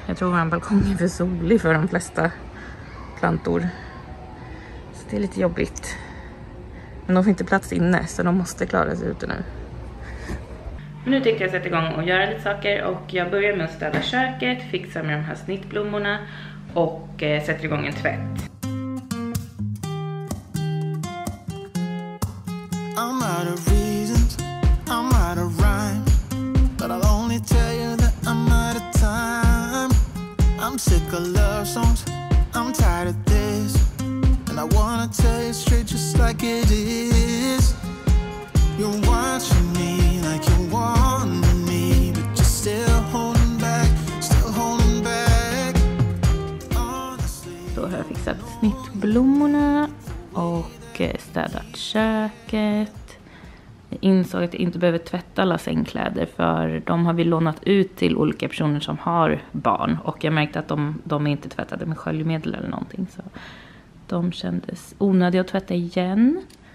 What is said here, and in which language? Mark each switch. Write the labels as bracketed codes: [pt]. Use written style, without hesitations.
[sv] Jag tror att balkongen är för solig för de flesta plantor, så det är lite jobbigt. Men de får inte plats inne, så de måste klara sig ute nu. Men nu tänkte jag sätta igång och göra lite saker. Och jag börjar med att städa köket, fixa med de här snittblommorna och sätter igång en tvätt. [en] I'm out of reasons, I'm out of rhyme, but I'll only tell you that I'm out of time. I'm sick of love songs, I'm tired of this, and I wanna tell you straight just like it is. You're watching me like you want me, but you're still holding back, still holding back. Honestly, [sv] så har jag fixat snittblommorna och städat köket. Jag insåg att jag inte behöver tvätta alla sängkläder, för de har vi lånat ut till olika personer som har barn. Och jag märkte att de är inte tvättade med sköljmedel eller någonting, så de kändes onödiga att tvätta igen.